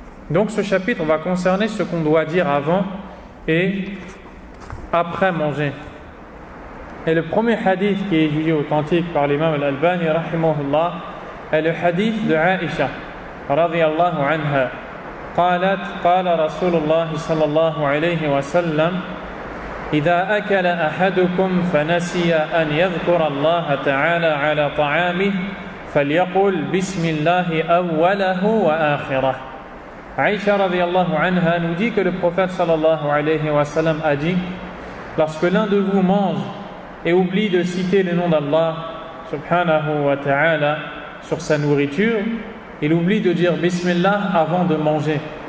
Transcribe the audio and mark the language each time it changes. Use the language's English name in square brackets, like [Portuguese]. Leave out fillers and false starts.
[French] Donc ce chapitre va concerner ce qu'on doit dire avant et après manger. Et le premier hadith qui est jugé authentique par l'imam al-Albani rahimahullah est le hadith de Aïcha radiallahu anha. [Arabic] قالت قال رسول الله صلى الله عليه وسلم إذا أكل أحدكم فنسي أن يذكر الله تعالى على طعامه فليقل بسم الله أوله وآخره. [French] عائشة رضي الله عنها nous dit que le prophète صلى الله عليه وسلم a dit: lorsque l'un de vous mange et oublie de citer le nom d'Allah سبحانه وتعالى sur sa nourriture, il oublie de dire Bismillah avant de manger.